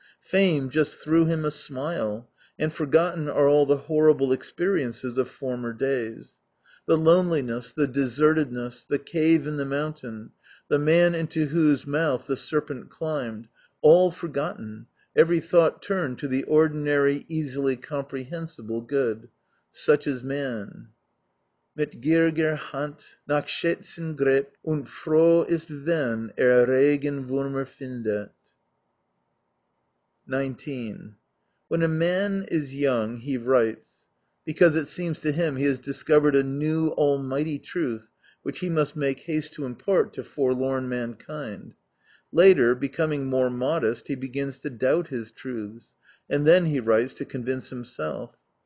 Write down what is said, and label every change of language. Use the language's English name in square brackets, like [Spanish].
[English] Fame just threw him a smile, and forgotten are all the horrible experiences of former days. The loneliness, the desertedness, the cave in the mountain, the man into whose mouth the serpent climbed, all forgotten, every thought turned to the ordinary, easily comprehensible good. Such is man. [German] Mit gieriger Hand nach Schätzen gräbt und froh ist, wenn Regenwürmer findet. [English] 19. When a man is young, he writes, because it seems to him he has discovered a new almighty truth which he must make haste to impart to forlorn mankind. Later, becoming more modest, he begins to doubt his truths, and then he writes to convince himself.